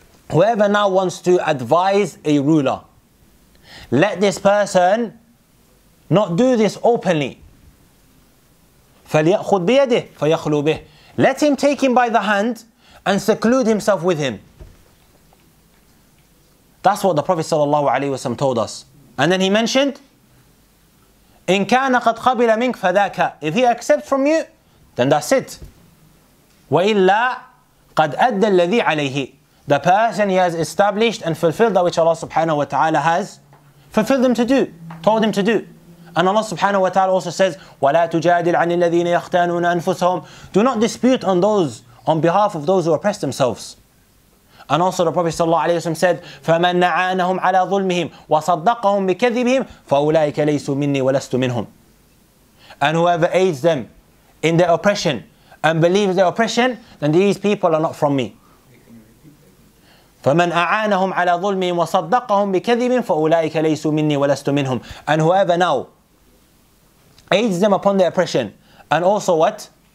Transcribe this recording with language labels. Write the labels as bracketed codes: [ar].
[en] Whoever now wants to advise a ruler, let this person not do this openly. [ar] فَلْيَأْخُذْ بِيَدِهِ فَيَخْلُوا بِهِ. [en] Let him take him by the hand and seclude himself with him. That's what the Prophet sallallahu alaihi wasallam told us. And then he mentioned, [ar] إِنْ كَانَ قَدْ قَبِلَ مِنْكَ فَذَاكَ. [en] If he accepts from you, then that's it. [ar] وَإِلَّا قَدْ أَدَّ الَّذِي عَلَيْهِ. [en] The person he has established and fulfilled that which Allah subhanahu wa ta'ala has fulfilled him to do, told him to do. And Allah subhanahu wa ta'ala also says, [ar] وَلَا تُجَادِلْ عَنِ الَّذِينَ يَخْتَانُونَ أَنفُسَهُمْ. [en] Do not dispute on behalf of those who oppress themselves. And also the Prophet sallallahu alayhi wa sallam said, [ar] فَمَنْ نَعَانَهُمْ عَلَىٰ ظُلْمِهِمْ وَصَدَّقَهُمْ بِكَذِبِهِمْ فَأُولَٰئِكَ لَيْسُ مِنِّي وَلَسْتُ مِنْهُمْ. [en] And whoever aids them in their oppression and believes their oppression, then these people are not from me. [ar] فَمَنْ أَعَانَهُمْ عَلَىٰ ظُلْمِهِمْ وَصَدَّقَهُمْ بِكَذِبٍ فَأُولَٰئِكَ لَيْسُ مِنِّي وَلَسْتُ مِنْهُمْ. [en] And whoever now aids them upon their oppression, and also what?